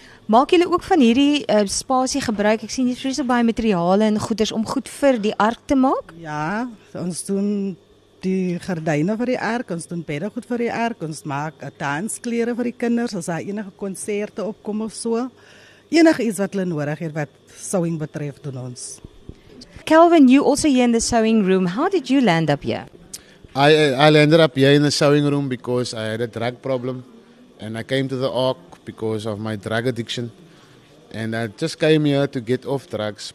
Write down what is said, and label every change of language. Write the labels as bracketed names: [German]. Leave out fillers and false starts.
[Afrikaans] Maak julle ook van hierdie spasie gebruik? Ek sien hier vreeslik baie materiale en goeders om goed vir die ark te maak. Ja, ons doen die gordyne vir die ark, ons doen beddegoed vir die ark, ons maak dansklere vir die kinders, as daar enige konserte opkom of so. Enige iets wat hulle nodig het wat sewing betref doen ons. [English] Kelvin, you also here in the sewing room. How did you land up here? I landed up here in the sewing room because I had a drug problem. And I came to the ARC because of my drug addiction. And I just came here to get off drugs.